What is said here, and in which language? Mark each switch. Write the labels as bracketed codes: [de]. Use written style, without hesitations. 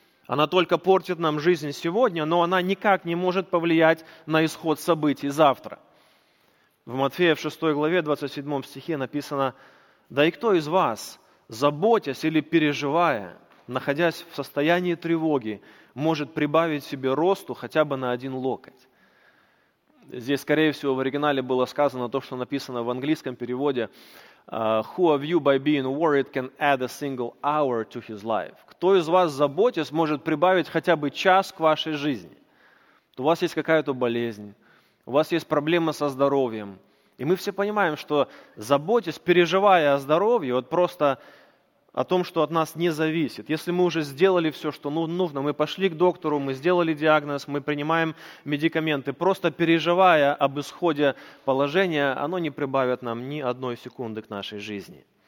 [ru] Она только портит нам жизнь сегодня, но она никак не может повлиять на исход событий завтра. В Матфея в 6 главе, 27 стихе написано, «Да и кто из вас, заботясь или переживая, находясь в состоянии тревоги, может прибавить себе росту хотя бы на один локоть?» Здесь, скорее всего, в оригинале было сказано то, что написано в английском переводе, [en] «Who of you by being worried can add a single hour to his life?» [ru] Кто из вас, заботясь, может прибавить хотя бы час к вашей жизни? У вас есть какая-то болезнь, у вас есть проблемы со здоровьем, И мы все понимаем, что заботясь, переживая о здоровье, вот просто о том, что от нас не зависит. Если мы уже сделали все, что нужно, мы пошли к доктору, мы сделали диагноз, мы принимаем медикаменты, просто переживая об исходе положения, оно не прибавит нам ни одной секунды к нашей жизни.